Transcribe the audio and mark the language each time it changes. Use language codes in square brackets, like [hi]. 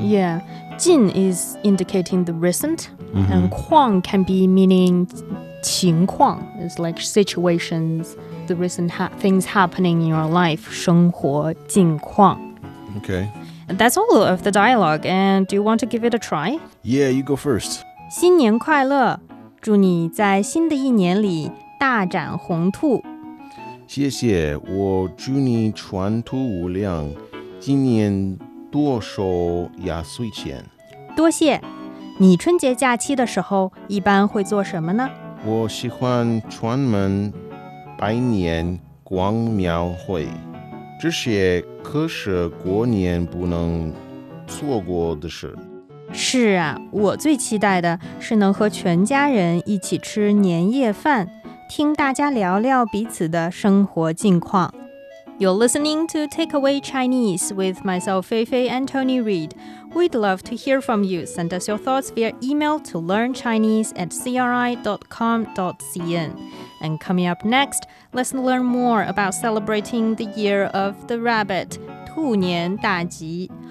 [en] Yeah, 近 is indicating the recent, mm-hmm. and 况 can be meaning [zh] 情况, [en] it's like situations, the recent things happening in your life, [zh] 生活近况. [en] Okay. That's all of the dialogue, and do you want to give it a try? Yeah, you go first. [zh] 新年快乐,祝你在新的一年里大展宏兔。谢谢，我祝你前途无量，今年多收压岁钱。多谢，你春节假期的时候一般会做什么呢？我喜欢串门、拜年、逛庙会，这些可是过年不能错过的事。是啊，我最期待的是能和全家人一起吃年夜饭。听大家聊聊彼此的生活近况。 [en] You're listening to Takeaway Chinese with myself, Feifei and Tony Reid. We'd love to hear from you. Send us your thoughts via email to learnchinese@cri.com.cn. And coming up next, let's learn more about celebrating the year of the rabbit, [zh] 兔年大吉.